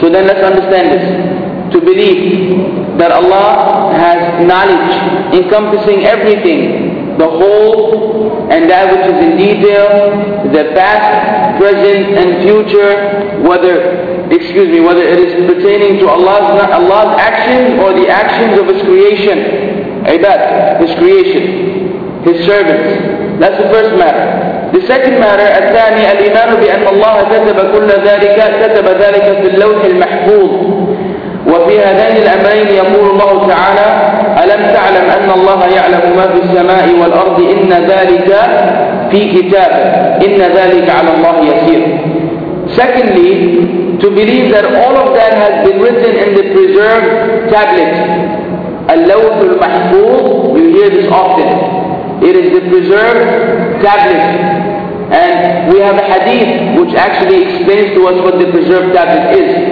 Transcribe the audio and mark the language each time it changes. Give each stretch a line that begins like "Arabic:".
English: So then let's understand this. To believe that Allah has knowledge encompassing everything, the whole and that which is in detail, the past, present and future, whether it is pertaining to Allah's actions or the actions of His creation, ibad, His creation, His servants. That's the first matter. The second matter,
Arabic: الثاني الإيمان بأن الله كتب كل ذلك كتب ذلك في اللوح المحفوظ وفي هذين الأمرين يقول الله تعالى ألم تعلم أن الله يعلم ما في السماء والأرض إن ذلك في كتاب إن ذلك على الله يسير.
English: Secondly, to believe that all of that has been written in the preserved tablet.
Arabic: اللوح المحفوظ,
English: you hear this often. It is the preserved tablet. And we have a hadith which actually explains to us what the preserved tablet is.